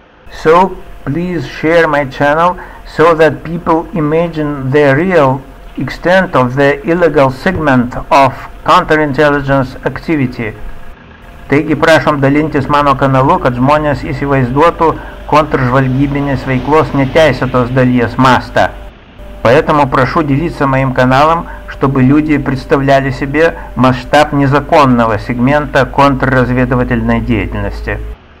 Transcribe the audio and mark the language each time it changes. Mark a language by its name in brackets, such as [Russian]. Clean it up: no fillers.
[English] So please share my channel so that people imagine the real extent of the illegal segment of counterintelligence activity. [Lithuanian] Taigi prašom dalintis mano kanalu, kad žmonės įsivaizduotų kontržvalgybinės veiklos neteisėtos dalies mastą. [Russian] Поэтому прошу делиться моим каналом, чтобы люди представляли себе масштаб незаконного сегмента контрразведывательной деятельности.